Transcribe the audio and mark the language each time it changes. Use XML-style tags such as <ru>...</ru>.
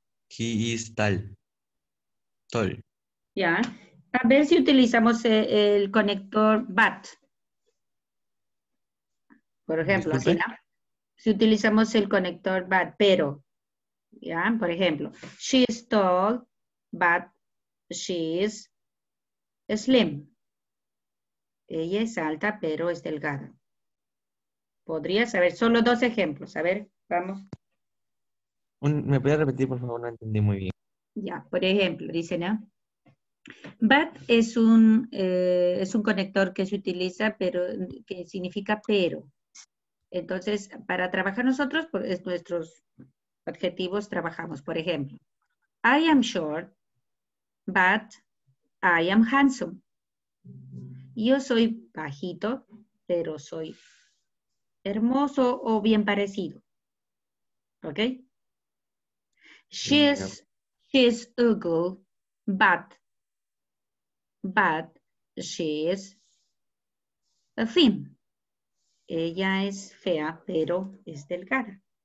<en>He is tall. Tall. Yeah.</en> <es>A ver si utilizamos el conector but. Por ejemplo, así, ¿no? Si utilizamos el conector but, pero, ¿ya? Por ejemplo,</es> <en>she is tall, but she is slim.</en> <es>Ella es alta, pero es delgada. ¿Podrías? A ver, solo dos ejemplos. A ver, vamos. ¿Me puedes repetir, por favor? No entendí muy bien. Ya, por ejemplo, dice, ¿no? But es un conector que se utiliza, pero que significa pero. Entonces, para trabajar nosotros, pues, nuestros adjetivos trabajamos. Por ejemplo,</es> <en>I am short, but I am handsome.</en> <es>Yo soy bajito, pero soy hermoso o bien parecido. ¿Ok?</es> <en>She's ugly, but she is a thin.</en> <es>Ella es fea, pero es delgada.</es>